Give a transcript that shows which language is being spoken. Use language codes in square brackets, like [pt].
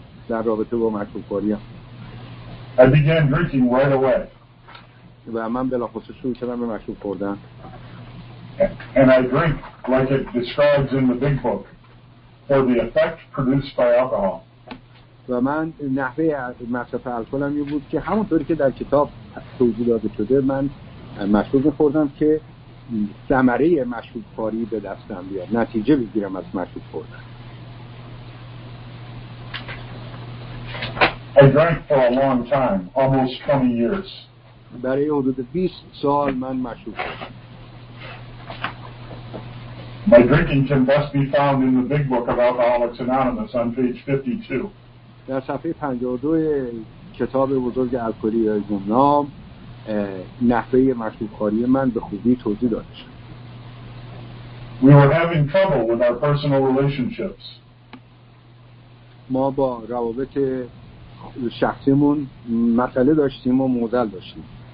[en] I began drinking right away. And I drink like it describes in the big book, for the effect produced by alcohol. [fa] و من نحوه مصرف الکلم این بود که همونطوری که در کتاب توضیح داده شده من مشروب خوردم که ثمره مشروب خوری به دستم بیاد، نتیجه بگیرم از مشروب خوردن. [en] I drank for a long time, almost 20 years. [fa] برای حدود 20 سال من مشروب خوردم. [en] My drinking can best be found in the big book of Alcoholics Anonymous on page 52. [fa] در صفحه 52 کتاب بزرگ الکلی گمنام نحوه مشروبخواری من به خوبی توضیح داده شد. [en] We were having trouble with our personal relationships. [fa] ما با روابط شخصیمون مسئله داشتیم و معضل داشتیم.